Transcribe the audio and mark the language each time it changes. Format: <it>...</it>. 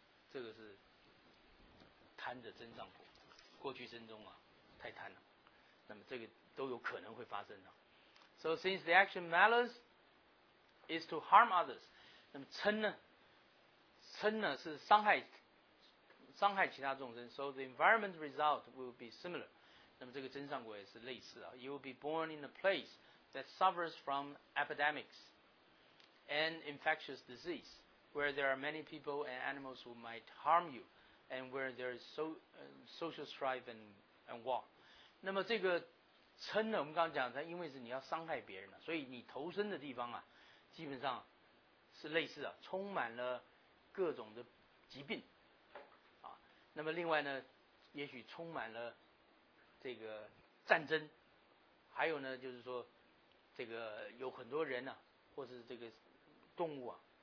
<zh>这个是贪的增上果，过去生中啊太贪了，那么这个都有可能会发生的。</zh> <en>So since the action malice is to harm others,</en> <zh>那么嗔呢是伤害其他众生。</zh> <en>So the environment result will be similar.</en> <zh>那么这个增上果也是类似啊。</zh> <en>You will be born in a place that suffers from epidemics and infectious disease. Where there are many people and animals who might harm you, and where there is social strife and war.</en> <zh>那么这个嗔呢，我们刚刚讲它，因为是你要伤害别人了，所以你投身的地方啊，基本上是类似啊，充满了各种的疾病啊。那么另外呢，也许充满了这个战争，还有呢，就是说这个有很多人啊，或是这个动物啊。</zh>